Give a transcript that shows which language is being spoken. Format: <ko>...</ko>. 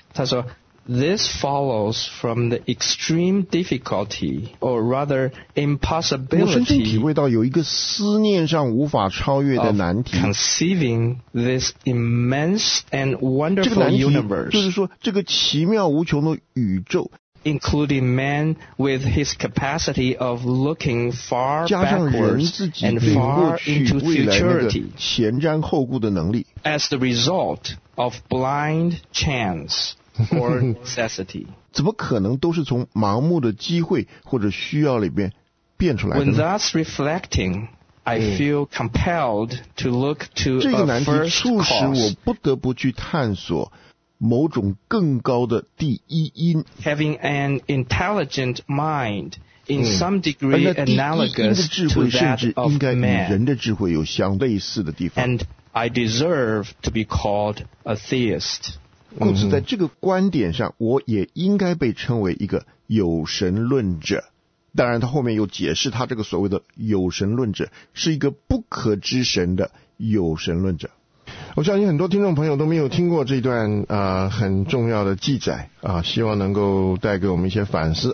<zh>他说</zh> <en>，This follows from the extreme difficulty, or rather impossibility。</en> <zh>我深深体会到有一个思念上无法超越的难题。</zh> <en>Conceiving this immense and wonderful universe，</en> <zh>就是说这个奇妙无穷的宇宙。</zh> <en>Including man with his capacity of looking far backwards and far into futurity,</en> <zh>前瞻后顾的能力</zh> <en>as the result of blind chance or necessity.</en> <zh>怎么可能都是从盲目的机会或者需要里边变出来的呢？</zh> <en>When thus reflecting, I feel compelled to look to a first cause.</en> <zh>这个难题促使我不得不去探索某种更高的第一因。</zh> <en>Having an intelligent mind in some degree analogous to that of man.</en> <zh>人的智慧有相类似的地方。</zh> <en>And I deserve to be called a theist.</en> <zh>故此在这个观点上我也应该被称为一个有神论者。当然他后面又解释他这个所谓的有神论者是一个不可知神的有神论者。我相信很多听众朋友都没有听过这段很重要的记载啊，希望能够带给我们一些反思。</zh>